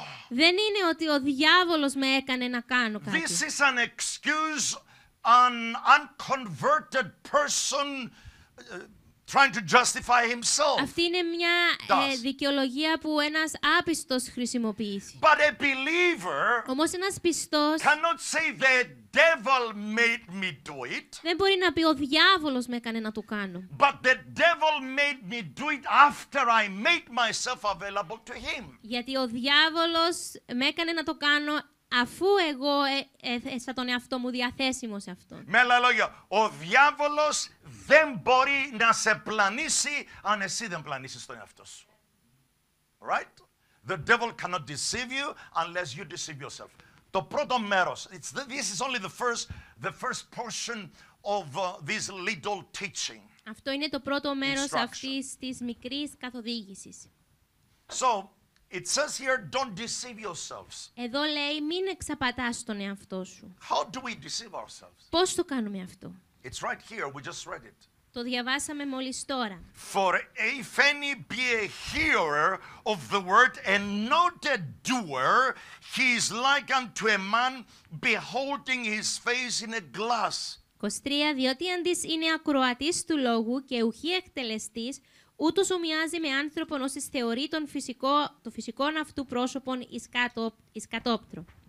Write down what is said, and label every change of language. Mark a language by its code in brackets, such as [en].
[el] Δεν είναι ότι ο διάβολος με έκανε να κάνω κάτι. [en] This is an excuse an unconverted person trying to justify himself. [el] Αυτή είναι μια δικαιολογία που ένας άπιστος χρησιμοποιεί. [en] But a believer. [el] Όμως ένας πιστός. [en] Cannot say the devil made me do it. [el] Δεν μπορεί να πει ο διάβολος με έκανε να το κάνω. [en] But the devil made me do it after I made myself available to him. [el] Γιατί ο διάβολος με έκανε να το κάνω αφού εγώ έθεσα τον εαυτό μου διαθέσιμο σε αυτό. Με άλλα λόγια, ο διάβολος δεν μπορεί να σε πλανήσει αν εσύ δεν πλανήσεις τον εαυτό σου. [en] Right? The devil cannot deceive you unless you deceive yourself. [el] Το πρώτο μέρος, [en] this is only the first portion of this little teaching. [el] Αυτό είναι το πρώτο μέρος αυτής της μικρής καθοδήγησης. [en] So, it says here, don't deceive yourselves. [el] Εδώ λέει, μην εξαπατάς τον εαυτό σου. [en] How do we deceive ourselves? [el] Πώς το κάνουμε αυτό? [en] It's right here, we just read it. [el] Το διαβάσαμε μόλις τώρα. [en] For if any be a hearer of the word and not a doer, he is like unto a man beholding his face in a glass. [el] 23, διότι αντίς είναι ακροατής του λόγου και ουχή εκτελεστής, ούτως ομοιάζει με άνθρωπον όσοι θεωρεί τον φυσικό, το φυσικό αυτού πρόσωπον εις κατόπτρο.